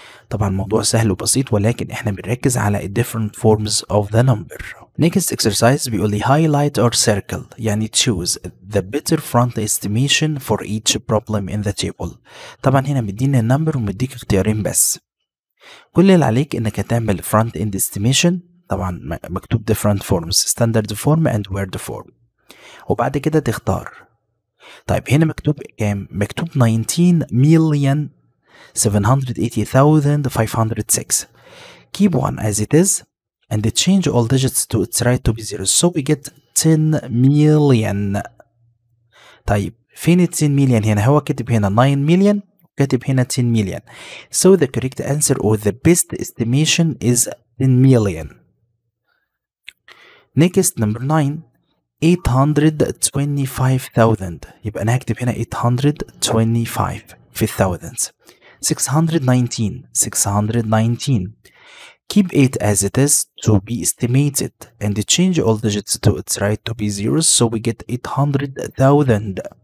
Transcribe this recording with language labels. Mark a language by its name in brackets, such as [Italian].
[Arabic] طبعا الموضوع سهل وبسيط, ولكن احنا بنركز على [English] different forms of the number. Next exercise بيقول لي highlight or circle, يعني choose the better front estimation for each problem in the table. [Arabic] طبعا هنا مديني النمبر ومديك اختيارين بس, كل اللي عليك انك هتعمل [English] front end estimation. طبعا مكتوب different forms, standard form and word form, وبعد كده تختار. [Arabic] طيب هنا مكتوب كام؟ مكتوب 19,780,506. [English] keep one as it is and change all digits to its right to be zero, so we get 10 million. [Arabic] طيب فين 10 million هنا؟ هو كتب هنا 9 million, كتب هنا 10 million. [English] So the correct answer or the best estimation is 10 million. next number 9 825,000 [Arabic] يبقى انا هكتب هنا [English] 825 في thousands 619 keep it as it is to be estimated and change all digits to its right to be zeros so we get 800,000